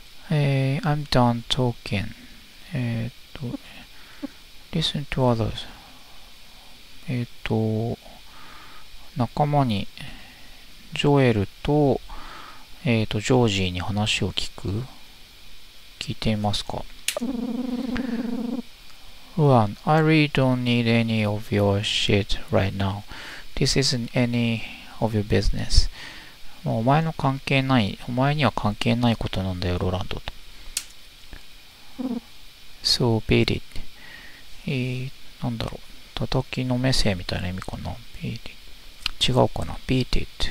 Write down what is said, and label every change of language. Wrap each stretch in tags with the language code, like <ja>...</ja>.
<en>I'm done talking. Listen to others.</en> <ja>仲間にジョエルと、ジョージーに話を聞く？聞いてみますか。</ja> <en>Ruan, I really don't need any of your shit right now. This isn't any of your business.</en> <ja>もうお前の関係ない、お前には関係ないことなんだよ、ロランドと。</ja> <en>So beat it.</en> <ja>なんだろう。叩きのめせみたいな意味かな。</ja> <en>Beat it.</en> <ja>違うかな。</ja> <en>Beat it.</en>